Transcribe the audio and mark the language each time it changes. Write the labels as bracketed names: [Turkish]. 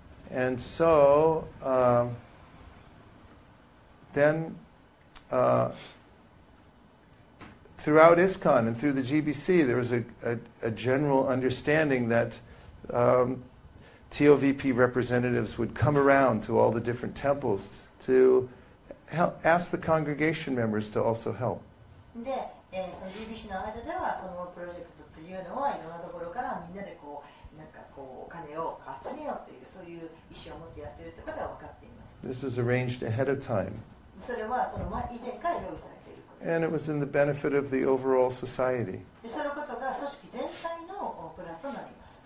[English] And so then throughout ISKCON and through the GBC, there was a general understanding that. TOVP representatives would come around to all the different temples to help, ask the congregation members to also help. [Japanese] で、その GBC の間ではそのプロジェクトというのはいろんなところからみんなでこうなんかこうお金を集めようというそういう意思を持ってやってるってことは分かっています。 [English] This was arranged ahead of time. [Japanese] それはその前以前から用意されている。 [English] And it was in the benefit of the overall society. [Japanese] で、そのことが組織全体のプラスとなります。